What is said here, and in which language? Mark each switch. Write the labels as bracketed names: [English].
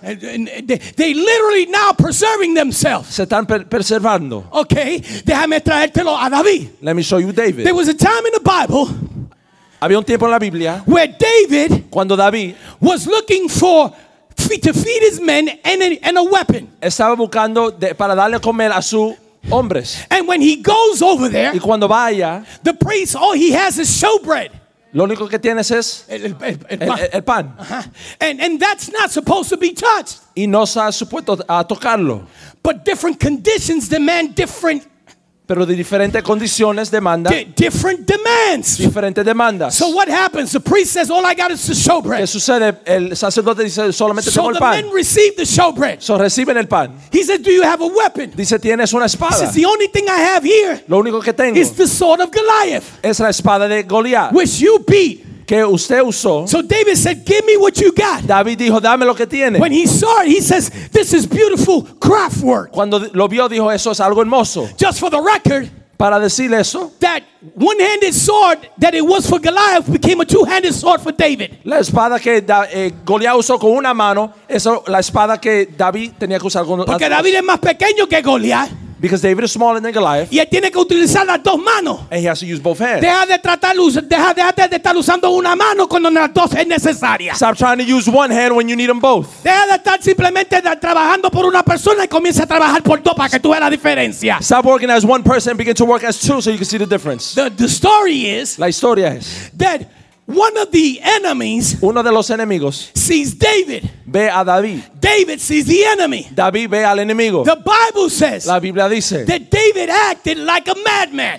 [English] they literally now preserving themselves. [Spanish] Se están preservando. Okay, déjame traértelo a David. [English] Let me show you David. There was a time in the Bible. [Spanish] Había un tiempo en la Biblia. [English] Where David, [Spanish] cuando David [English] was looking for to feed his men and a weapon. [Spanish] Estaba buscando para darle comer a su hombres. [English] And when he goes over there, [Spanish] y cuando va allá, [English] the priest, all he has is showbread. [Spanish] Lo único que tienes es el pan. [English] Uh-huh. And that's not supposed to be touched. [Spanish] Y no se ha supuesto a tocarlo. [English] But different conditions demand different. [Spanish] Pero de diferentes condiciones demanda. [English] Different demands. [Spanish] Diferentes demandas. [English] So what happens? The priest says, "All I got is the showbread." [Spanish] ¿Qué sucede? El sacerdote dice, solamente [English] so [Spanish] tengo el pan. [English] So the men receive the showbread. [Spanish] So reciben el pan. [English] He says, "Do you have a weapon?" [Spanish] Dice, ¿tienes una espada? [English] He says, "The only thing I have here." [Spanish] Lo único que tengo. [English] Is the sword of Goliath. [Spanish] Es la espada de Goliat. [English] Which you beat. [Spanish] Que usted usó. [English] So David said, "Give me what you got." [Spanish] David dijo, dame lo que tiene. [English] When he saw it, he says, "This is beautiful craft work." [Spanish] Cuando lo vio, dijo, eso es algo hermoso. [English] Just for the record, [Spanish] para decir eso, [English] that one-handed sword that it was for Goliath became a two-handed sword for David. [Spanish] La espada que Goliat usó con una mano, eso la espada que David tenía que usar con otra. Porque David es más pequeño que Goliat. [English] Because David is smaller than Goliath. [Spanish] Y él tiene que utilizar las dos manos. [English] And he has to use both hands. [Spanish] Deja de estar usando una mano cuando las dos es necesaria. [English] Stop trying to use one hand when you need them both. [Spanish] Deja de estar simplemente trabajando por una persona y comienza a trabajar por dos para que tú veas la diferencia. [English] Stop working as one person and begin to work as two so you can see the difference. The story is. [Spanish] La historia es. [English] That one of the enemies. [Spanish] Uno de los enemigos. [English] Sees David. [Spanish] Ve a David. [English] David sees the enemy. [Spanish] David ve al enemigo. [English] The Bible says. [Spanish] La Biblia dice. [English] That David acted like a madman.